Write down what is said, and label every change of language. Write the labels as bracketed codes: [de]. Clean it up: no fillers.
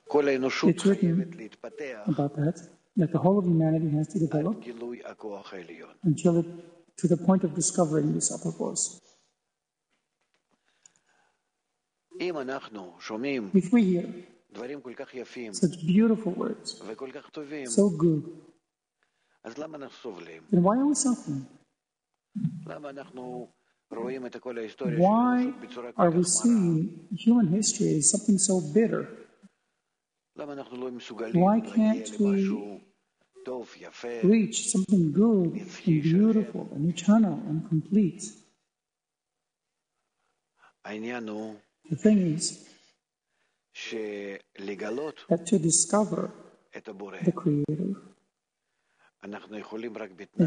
[he] כל האנושות חייבת להתפתח [en] about that, that the whole of humanity has to develop [he] עד גילוי הכוח העליון. [en] Until it, to the point of discovering this upper force. [he] אם אנחנו שומעים [en] If we hear [he] דברים כל כך יפים [en] such beautiful words [he] וכל כך טובים [en] so good [he] אז למה אנחנו סובלים? [en] Then why are we suffering? [he] למה אנחנו רואים את כל ההיסטוריה [en] Why are we seeing human history as something so bitter? [he] למה אנחנו לא מסוגלים להגיע למשהו טוב, יפה, [en] reach something good and beautiful and eternal and complete? [he] העניין הוא [en] The thing is [he] שלגלות [en] that to discover [he] את הבורא [en] the Creator [he] אנחנו יכולים רק בתנאי